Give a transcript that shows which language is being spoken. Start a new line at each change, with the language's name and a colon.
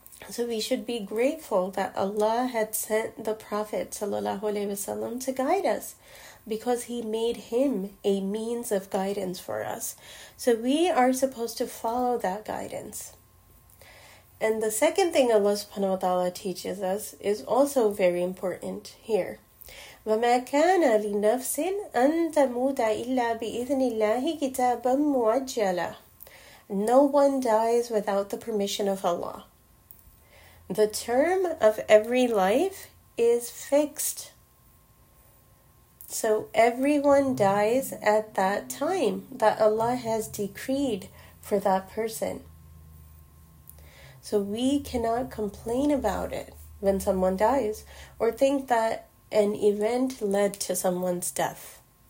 English: So we should be grateful that Allah had sent the Prophet sallallahu alaihi wasallam to guide us, because he made him a means of guidance for us. So we are supposed to follow that guidance. And the second thing Allah subhanahu wa ta'ala teaches us is also very important here.
Arabic: وَمَا كَانَ لِنَفْسٍ أَن تَمُوتَ إِلَّا بِإِذْنِ اللَّهِ كِتَابًا مُعَجَّلًا
English: No one dies without the permission of Allah. The term of every life is fixed. So everyone dies at that time that Allah has decreed for that person. So we cannot complain about it when someone dies or think that an event led to someone's death.